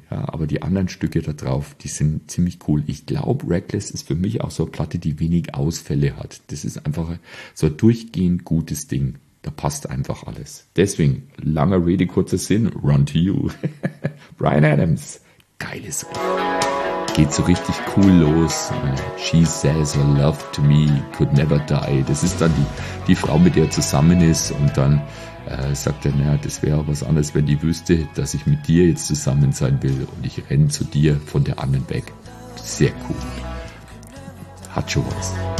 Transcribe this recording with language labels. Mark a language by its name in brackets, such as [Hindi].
[German] Ja, aber die anderen Stücke da drauf, die sind ziemlich cool. Ich glaube, Reckless ist für mich auch so eine Platte, die wenig Ausfälle hat. Das ist einfach so ein durchgehend gutes Ding. Da passt einfach alles. Deswegen, langer Rede, kurzer Sinn, Run to You. Bryan Adams, geiles. Geht so richtig cool los. [English] She says her love to me could never die. [German] Das ist dann die Frau, mit der er zusammen ist. Und dann sagt er, naja, das wäre auch was anderes, wenn die wüsste, dass ich mit dir jetzt zusammen sein will. Und ich renne zu dir von der anderen weg. Sehr cool. Hat schon was.